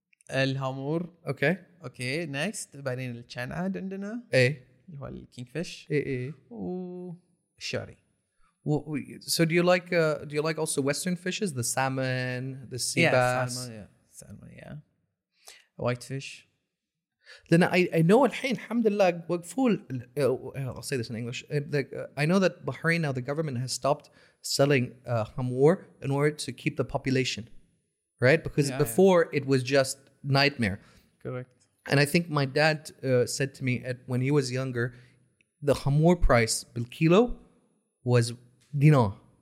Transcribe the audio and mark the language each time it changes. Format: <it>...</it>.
<ar>الهامور.</ar> <en>Okay. Okay. Next.</en> <ar>بعدين الشنعد عندنا.</ar> <en>Hey.</en> <ar>اللي هو الكينج فيش.</ar> <en>Hey.</en> <ar>والشاري.</ar> <en>So do you like also Western fishes, the salmon, the sea bass? Salmon, yeah. Whitefish. Then I know</en> <ar>الحين الحمد لله وقفوا.</ar> <en>I'll say this in English. I know that Bahrain now the government has stopped selling hamour in order to keep the population, right? Because before it was just nightmare. Correct. And I think my dad said to me when he was younger, the hamour price per kilo was dinar.</en>